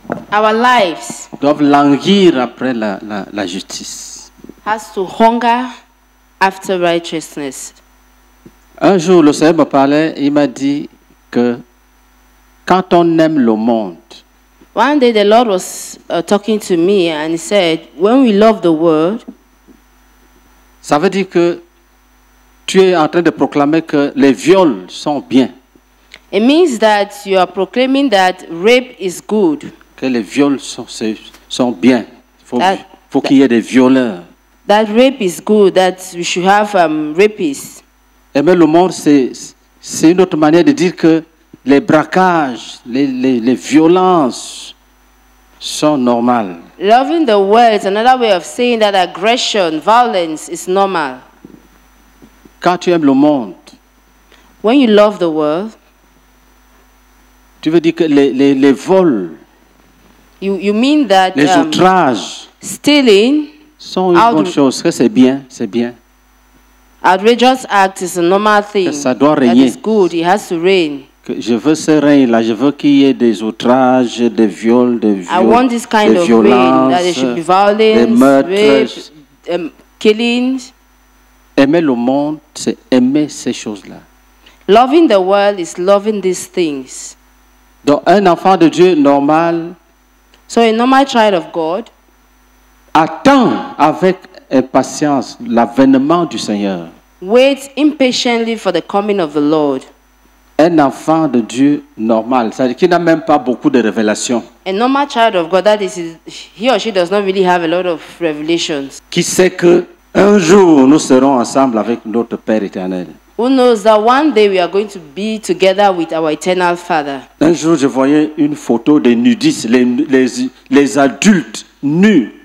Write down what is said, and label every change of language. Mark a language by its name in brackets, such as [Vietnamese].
[English] our lives, [French] doivent languir après la justice. [English] Has to hunger after righteousness. [French] Un jour, le Seigneur me parlait, il m'a dit que quand on aime le monde, [English] one day the Lord was talking to me and he said, when we love the world, [French] ça veut dire que tu es en train de proclamer que les viols sont bien. [English] It means that you are proclaiming that rape is good. [French] Que les viols sont bien. Faut qu'il y ait des violeurs. [English] That rape is good, that we should have rapists. [French] Aimer le monde, c'est une autre manière de dire que les braquages, les violences sont normales. [English] Loving the world is another way of saying that aggression, violence is normal. [French] Quand tu aimes le monde, [English] when you love the world, [French] tu veux dire que les vols, [English] you mean that [French] les outrages, [English] stealing, [French] sont une bonne chose, que c'est bien, c'est bien. [English] Outrageous act is a normal thing. [French] Ça doit régner. [English] That is good. It has to reign. [French] Je veux ce règne-là. Je veux qu'il y ait des outrages, des viols, des violences. [English] I want this kind of violence, reign. That there should be violence, [French] des meurtres, [English] rape, killings. [French] Aimer le monde, c'est aimer ces choses-là. [English] Loving the world is loving these things. [French] Donc, un enfant de Dieu normal. [English] So a normal child of God. [French] Attend avec impatience l'avènement du Seigneur. [English] Wait impatiently for the coming of the Lord. [French] Un enfant de Dieu normal, c'est-à-dire qui n'a même pas beaucoup de révélations. [English] A normal child of God, that is, he or she does not really have a lot of revelations. [French] Qui sait que un jour nous serons ensemble avec notre Père éternel. [English] Who knows that one day we are going to be together with our eternal Father. [French] Un jour, je voyais une photo des nudistes, les adultes nus.